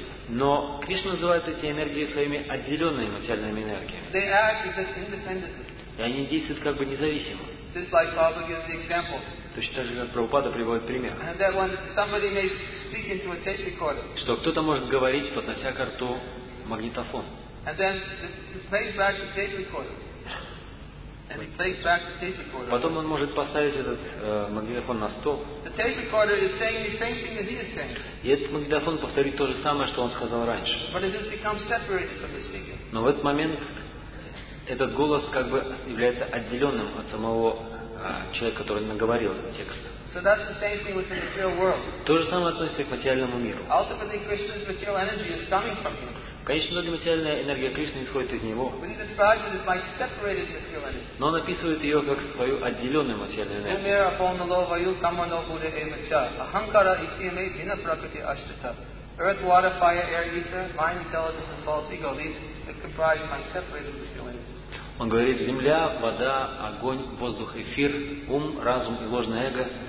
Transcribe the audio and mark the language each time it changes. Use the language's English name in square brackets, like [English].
[Russian] Но Кришна называет эти энергии своими отделенными материальными энергиями. И они действуют как бы независимо. [English] Just like Prabhupada gives the example. [Russian] Точно так же, как Прабхупада приводит пример. [English] And that when somebody may speak into a tape recorder. [Russian] Что кто-то может говорить, поднося ко рту магнитофон. [English] And then plays back the tape recorder. And he plays back the tape recorder. [Russian] Потом он может поставить этот магнитофон на стол. [English] The tape recorder is saying the same thing that he is saying. [Russian] И этот магнитофон повторит то же самое, что он сказал раньше. [English] But it has become separated from the speaker. [Russian] Но в этот момент этот голос как бы является отделенным от самого человека, который наговорил этот текст. [English] So that's the same thing with the material world. [Russian] То же самое относится к материальному миру. [English] Ultimately, Krishna's material energy is coming from him. [Russian] Конечно, материальная энергия Кришны исходит из него. [English] But he describes it as my separated material energy. [Russian] Но он описывает ее как свою отделенную материальную энергию. [English] Earth, water, fire, air, ether, mind, intelligence, and false ego. These comprise my separated material energy. [Russian] Он говорит, земля, вода, огонь, воздух, эфир, ум, разум и ложное эго.